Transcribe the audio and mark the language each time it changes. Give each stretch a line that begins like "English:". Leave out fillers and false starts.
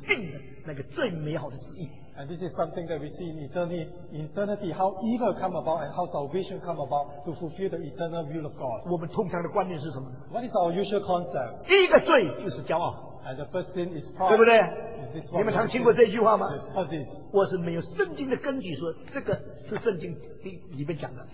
Chinese: 也就是呢，宇宙之间的恶怎么样发生，那怎么样牵动历史中间的道德的败坏，那有基督的救赎怎么样成全原先神所定的那个最美好的旨意。
English: And this is something that we see in eternity, how evil come about and how salvation come about to fulfill the eternal will of God.
Chinese: 我们通常的观念是什么呢？
English: What is our usual concept?
Chinese: 第一个罪就是骄傲。
English: And the first sin is pride.
Chinese: 对不对?你们常听过这句话吗?
English: Yes,
Chinese: 我是没有圣经的根据说这个是圣经里面讲的。